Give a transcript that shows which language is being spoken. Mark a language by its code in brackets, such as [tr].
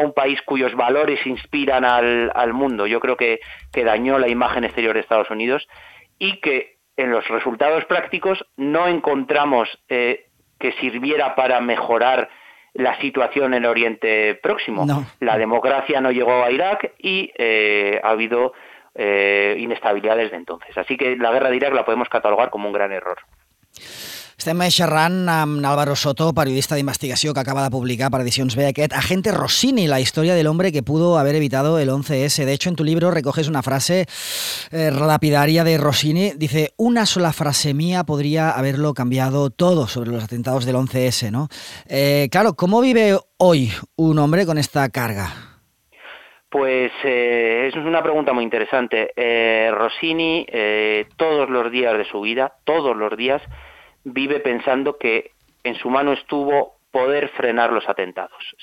[es] Un país cuyos valores inspiran al mundo. Yo creo que dañó la imagen exterior de Estados Unidos y que en los resultados prácticos no encontramos que sirviera para mejorar la situación en Oriente Próximo. No. La democracia no llegó a Irak y ha habido inestabilidad desde entonces. Así que la guerra de Irak la podemos catalogar como un gran error. [ca] Estem xerrant amb Álvaro Soto, periodista d'investigació que acaba de publicar per Edicions B aquest Agente Rossini, la història del hombre que pudo haver evitado el 11S. [es] De hecho, en tu libro recoges una frase lapidaria de Rossini. Dice, una sola frase mía podría haberlo cambiado todo sobre los atentados del 11S, ¿no? Claro, ¿cómo vive hoy un hombre con esta carga? Pues es una pregunta muy interesante. Rossini, todos los días de su vida, todos los días, vive pensando que en su mano estuvo poder frenar los atentados.